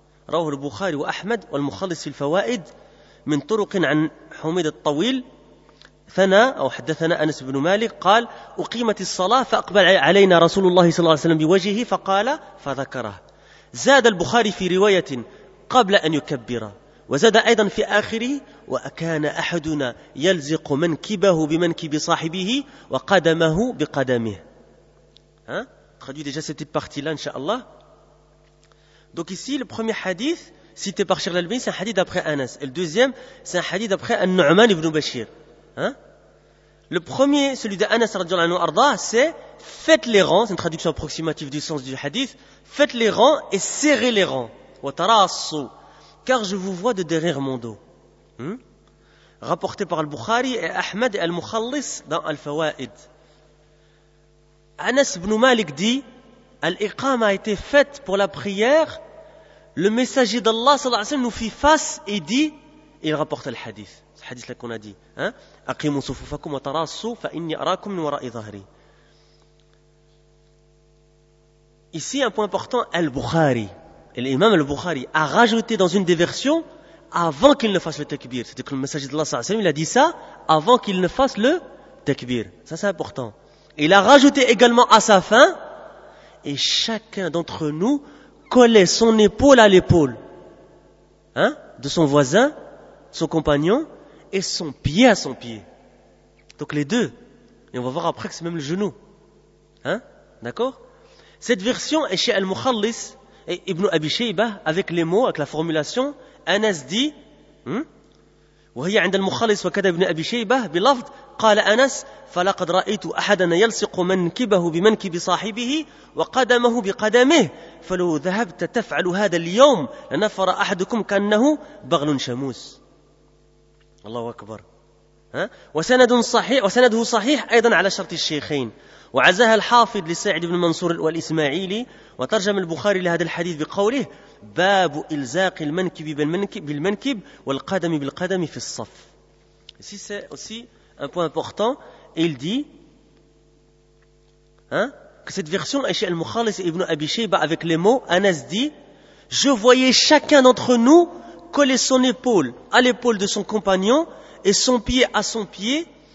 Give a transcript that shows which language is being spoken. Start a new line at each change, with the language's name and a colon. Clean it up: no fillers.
Arabic: رواه البخاري وأحمد والمخلص في الفوائد من طرق عن حميد الطويل ثنى أو حدثنا أنس بن مالك قال أقيمت الصلاة فأقبل علينا رسول الله صلى الله عليه وسلم بوجهه فقال فذكره. زاد البخاري في رواية قبل أن يكبر، وزاد أيضا في آخره وأكان أحدنا يلزق منكبه بمنكب صاحبه وقدمه بقدمه.
French: خديو ديجا سيتي بارتي لا إن شاء الله. دونك ici le premier hadith cité par Cheikh Al-Albani c'est un hadith d'après Anas. Le deuxième c'est un hadith d'après An-Nu'man ibn Bashir. Le premier, celui d'Anas radiallahu anhu arda, c'est faites les rangs, c'est une traduction approximative du sens du hadith, faites les rangs et serrez les rangs. Watarasso, car je vous vois de derrière mon dos. Rapporté par Al-Bukhari et Ahmed et Al-Mukhallis dans Al-Fawa'id. Anas ibn Malik dit Al-Iqam a été faite pour la prière, le messager d'Allah sallallahu alayhi wa sallam nous fit face et dit, et il rapporte le hadith. Ce hadith là qu'on a dit,
Arabic: أقيموا صفوفكم وتراصوا فإني أراكم من وراء ظهري.
French: Ici un point important, Al-Bukhari, l'imam Al-Bukhari a rajouté dans une des versions avant qu'il ne fasse le takbir. C'est-à-dire que le messager d'Allah, il a dit ça avant qu'il ne fasse le takbir. Ça c'est important. Il a rajouté également à sa fin, et chacun d'entre nous collait son épaule à l'épaule de son voisin, son compagnon, et son pied à son pied. Donc les deux. Et on va voir après que c'est même le genou. D'accord ? Cette version est chez Al-Mukhallis et Ibn Abi Shaybah avec les mots, avec la formulation. Anas dit
Arabic: وهي عند المخلص وكذا ابن أبي شيبة بلفظ قال أنس فلقد رأيت أحدنا يلصق منكبه بمنكب صاحبه وقدمه بقدمه فلو ذهبت تفعل هذا اليوم لنفر أحدكم كأنه بغل شموس. الله أكبر. وسنده صحيح أيضا على شرط الشيخين، وعزاها الحافظ لسعد بن منصور والإسماعيلي، وترجم البخاري لهذا الحديث بقوله باب إلزاق المنكب بالمنكب والقدم بالقدم في الصف.
French: Ici c'est aussi un point important. Il dit que cette version est chez Al-Mukhallis ibn Abi Shayba avec les mots. Anas dit je voyais chacun d'entre nous coller son épaule à l'épaule de son compagnon et son pied à son pied.